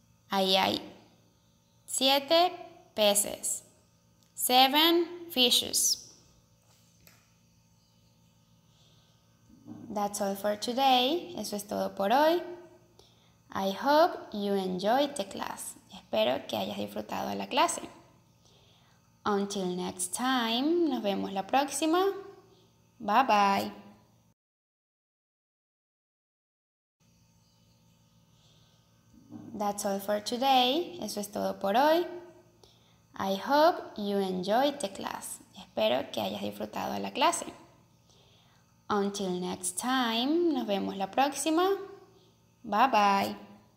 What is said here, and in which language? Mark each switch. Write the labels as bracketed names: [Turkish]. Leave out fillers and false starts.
[Spanish] Ahí hay 7 peces. [English] 7 fishes. That's all for today. [Spanish] Eso es todo por hoy. [English] I hope you enjoyed the class. [Spanish] Espero que hayas disfrutado de la clase. [English] Until next time, [Spanish] nos vemos la próxima. [English] Bye bye. That's all for today. [Spanish] Eso es todo por hoy. [English] I hope you enjoyed the class. [Spanish] Espero que hayas disfrutado de la clase. [English] Until next time, [Spanish] nos vemos la próxima. [English] Bye bye.